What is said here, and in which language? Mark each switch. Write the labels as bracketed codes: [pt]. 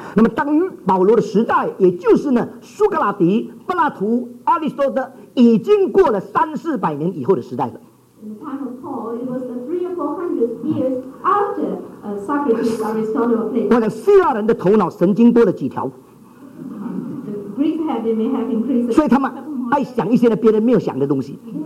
[zh] 那么当保罗的时代，也就是呢苏格拉底、柏拉图、阿里斯多德，已经过了300-400年以后的时代了。 [en] In the time of Paul, it was the 300-400 years after Socrates, Aristotle, Plato。 [zh] 我想希腊人的头脑神经多了几条。 [en] The Greeks may have increased. [zh] 所以他们爱想一些呢别人没有想的东西。